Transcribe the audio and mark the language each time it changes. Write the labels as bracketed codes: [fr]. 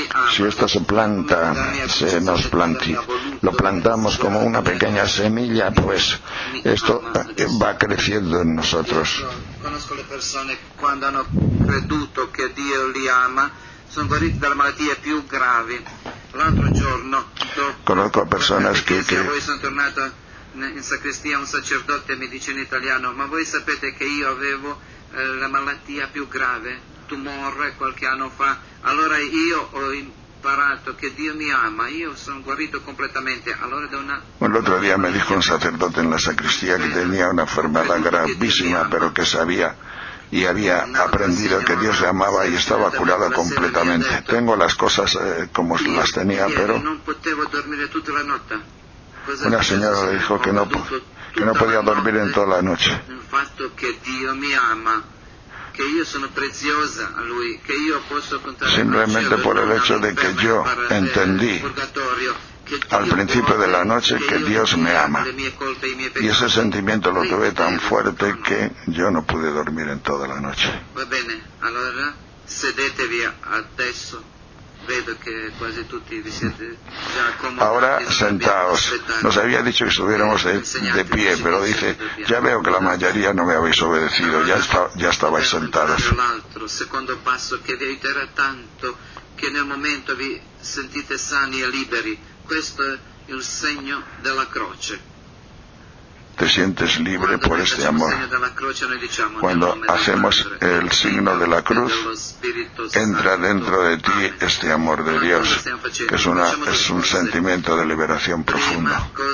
[es] Si esto se planta, se nos plantea, lo plantamos como una pequeña semilla, pues esto va creciendo en nosotros. Conozco [it] le persone quando hanno creduto che Dio li ama, sono guariti dalle malattie più gravi. L'altro giorno, [es] conozco [it] persone che sono tornato in sacrestia, un sacerdote mi dice in italiano, ma voi sapete che io avevo la malattia più grave? Tumore qualche anno fa. Allora io ho imparato che Dio mi ama, io sono guarito completamente. Allora [es] l'altro giorno mi dijo un sacerdote in la sacristia che tenía una enfermedad gravísima, [it] però che [es] sabía y había aprendido que Dios le amaba y estaba curado completamente. Tengo las cosas como las tenía, pero [it] non potevo dormire tutta la notte. [es] Una señora le dijo que no que no podía dormir en toda la noche. El hecho que Dios me ama, que yo soy preciosa a Lui, que yo puedo contar. Simplemente por el hecho de que yo entendí al principio de la noche que Dios me ama. Y ese sentimiento lo tuve tan fuerte que yo no pude dormir en toda la noche. [it] Va bene, allora sedetevi adesso. Vedo che quasi tutti vi siete già accomodati. [es] Ahora sentaos. Nos había dicho que estuviéramos de pie, pero dice, ya veo que la mayoría no me habéis obedecido, ya estabais sentados. [it] L'altro secondo passo che vi aiuterà tanto, che nel momento vi sentite sani e liberi. Questo è il segno della croce. [es] Te sientes libre por este amor. Cuando hacemos el signo de la cruz, entra dentro de ti este amor de Dios, que es un sentimiento de liberación profunda.